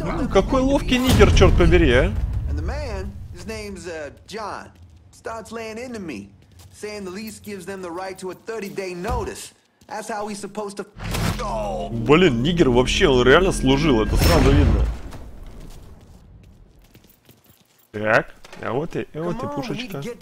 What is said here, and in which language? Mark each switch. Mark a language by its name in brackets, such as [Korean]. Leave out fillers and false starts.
[Russian] Какой ловкий нигер, черт побери, а? [English] Starts laying into me, saying the lease gives them the right to a 30-day notice. That's how we supposed to. [Russian] Блин, нигер вообще, он реально служил, это сразу видно. Так, а вот и пушечка.